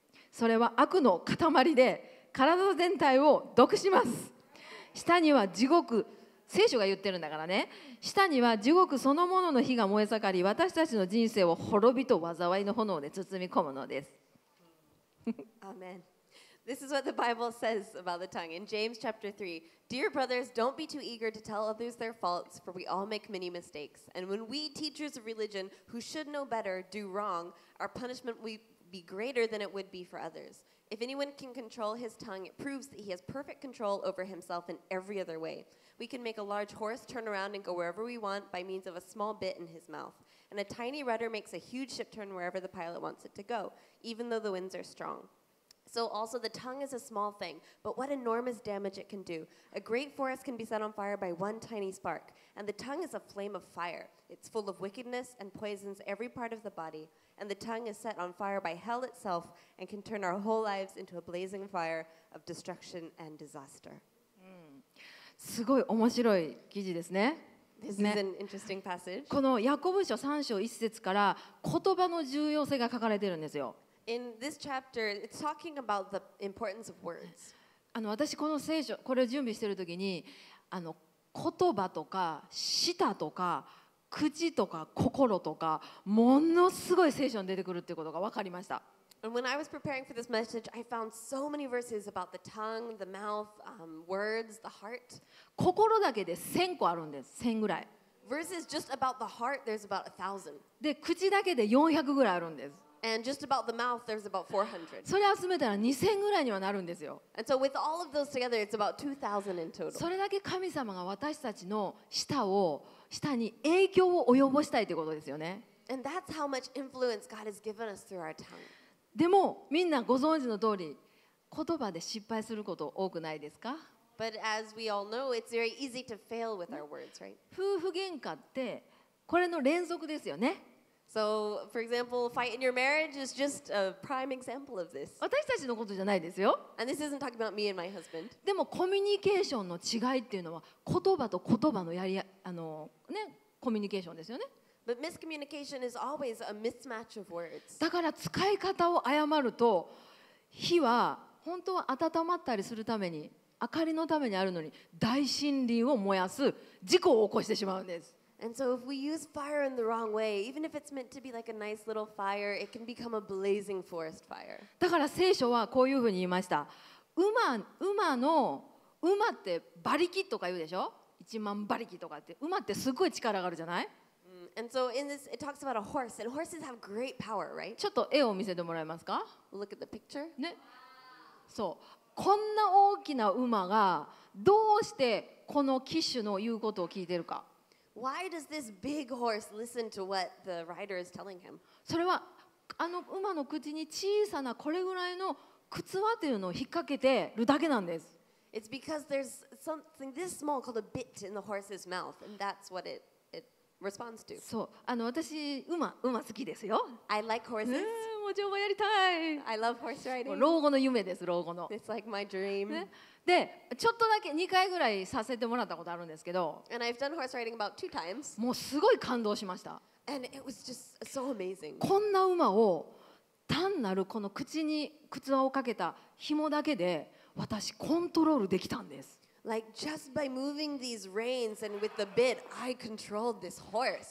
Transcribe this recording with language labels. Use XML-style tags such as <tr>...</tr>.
<ja>それは悪の塊で体全体を毒します。舌には地獄、聖書が言ってるんだからね。舌には地獄そのものの火が燃え盛り、私たちの人生を滅びと災いの炎で包み込むのです。アーメン。</ja> <en>This is what the Bible says about the tongue in James chapter 3. Dear brothers, don't be too eager to tell others their faults, for we all make many mistakes. And when we teachers of religion who should know better do wrong, our punishment will be greater than it would be for others. If anyone can control his tongue, it proves that he has perfect control over himself in every other way. We can make a large horse turn around and go wherever we want by means of a small bit in his mouth. And a tiny rudder makes a huge ship turn wherever the pilot wants it to go, even though the winds are strong. So also the tongue is a small thing, but what enormous damage it can do. A great forest can be set on fire by one tiny spark, and the tongue is a flame of fire. It's full of wickedness and poisons every part of the body. And the tongue is set on fire by hell itself and can turn our whole lives into a blazing fire of destruction and disaster.</en> <ja>すごい面白い記事ですね。</ja> <en>This is an interesting passage.</en> <ja>このヤコブ書3章1節から言葉の重要性が書かれてるんですよ。</ja> <en>In this chapter, it's talking about the importance of words.</en> <ja>私この聖書これを準備してる時に、言葉とか舌とか口とか心とか、ものすごい聖書に出てくるっていうことが分かりました。</ja> <en>And when I was preparing for this message, I found so many verses about the tongue, the mouth, words, the heart.</en> <ja>心だけで1000個あるんです。 1000ぐらい。</ja> <en>Verses just about the heart, there's about 1,000.</en> <ja>で、口だけで400ぐらいあるんです。</ja> <en>And just about the mouth, there's about 400.</en> <ja>それ集めたら2000ぐらいにはなるんですよ。</ja> <en>And so with all of those together, it's about 2,000 in total.</en> <ja>それだけ神様が私たちの舌に影響を及ぼしたいということですよね。</ja> <en>And that's how much influence God has given us through our tongue.</en> <ja>でもみんなご存知の通り、言葉で失敗すること多くないですか？</ja> <en>But as we all know, it's very easy to fail with our words, right?</en> <ja>夫婦喧嘩ってこれの連続ですよね。</ja> <en>So, for example, fight in your marriage is just a prime example of this.</en> <ja>私たちのことじゃないですよ。</ja> <en>And this isn't talking about me and my husband.</en> <ja>でもコミュニケーションの違いっていうのは、言葉と言葉のコミュニケーションですよね。</ja> <en>But miscommunication is always a mismatch of words.</en> <ja>だから使い方を誤ると、火は本当は温まったりするために、明かりのためにあるのに、大森林を燃やす事故を起こしてしまうんです。</ja> <en>And so if we use fire in the wrong way, even if it's meant to be like a nice little fire, it can become a blazing forest fire.</en> <ja>だから聖書はこういうふうに言いました。馬って馬力とか言うでしょ？ 1万馬力とかって。馬ってすごい力があるじゃない？</ja> <en>And so in this, it talks about a horse, and horses have great power, right?</en> <ja>ちょっと絵を見せてもらえますか？</ja> <en>Look at the picture.</en> <ja>ね。そう。こんな大きな馬がどうしてこの騎手の言うことを聞いてるか。</ja> <en>Why does this big horse listen to what the rider is telling him?</en> <ja>それは馬の口に小さなこれぐらいの靴輪というのを引っ掛けてるだけなんです。</ja> <en>It's because there's something this small called a bit in the horse's mouth, and that's what it.</en> <ja>そう、私馬好きですよ。</ja> <en>I like horses.</en> <ja>も乗馬やりたい。</ja> <en>I love horse riding.</en> <ja>老後の夢です、老後の。</ja> <en>It's like my dream.、ね、</en> <ja>で、ちょっとだけ2回ぐらいさせてもらったことあるんですけど、</ja> <en>And I've done horse riding about two times.</en> <ja>もうすごい感動しました。</ja> <en>And it was just so amazing.</en> <ja>こんな馬を単なるこの口に靴輪をかけた紐だけで私コントロールできたんです。</ja> <en>Like just by moving these reins and with the bit, I controlled this horse.</en>